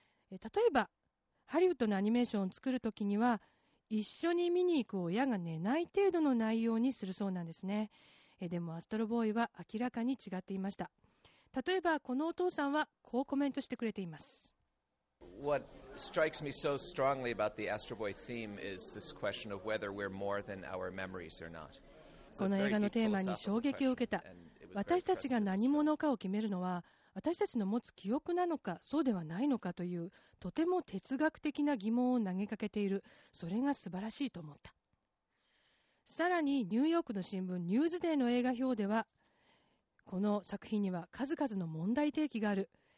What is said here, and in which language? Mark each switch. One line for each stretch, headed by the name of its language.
Japanese: 例えばハリウッドのアニメーションを作るときには一緒に見に行く親が寝ない程度の内容にするそうなんですね。でもアストロボーイは明らかに違っていました。例えばこのお父さんはこうコメントしてくれています。
English: What strikes me so strongly about the Astro Boy theme is this question of whether we're more than our memories or not.
Japanese: この映画のテーマに衝撃を受けた。私たちが何者かを決めるのは私たちの持つ記憶なのかそうではないのかというとても哲学的な疑問を投げかけている。それが素晴らしいと思った。さらにニューヨークの新聞ニューズデーの映画表ではこの作品には数々の問題提起がある。